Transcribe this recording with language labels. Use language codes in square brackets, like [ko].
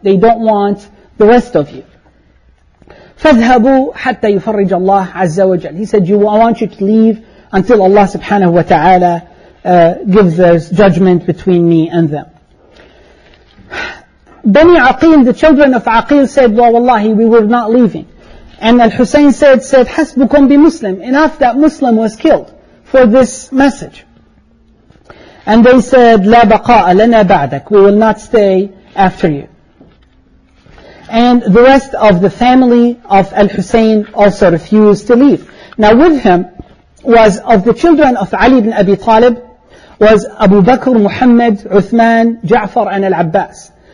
[en] They don't want the rest of you. [ar] فَذْهَبُوا حَتَّى يُفَرِّجَ اللَّهُ عَزَّ وَجَلَّ. [en] He said, I want you to leave until Allah subhanahu wa ta'ala gives this judgment between me and them. Bani Aqil, the children of Aqil said, well, wallahi, we were not leaving. And Al-Husayn said, [ar] حَسْبُكُمْ بِمُسْلِمْ. [en] Enough that Muslim was killed for this message. And they said, [ar] لَا بَقَاءَ لَنَا بَعْدَكَ. [en] We will not stay after you. And the rest of the family of Al-Husayn also refused to leave. Now with him was, of the children of Ali ibn Abi Talib, was Abu Bakr, Muhammad, Uthman, Ja'far, and Al-Abbas.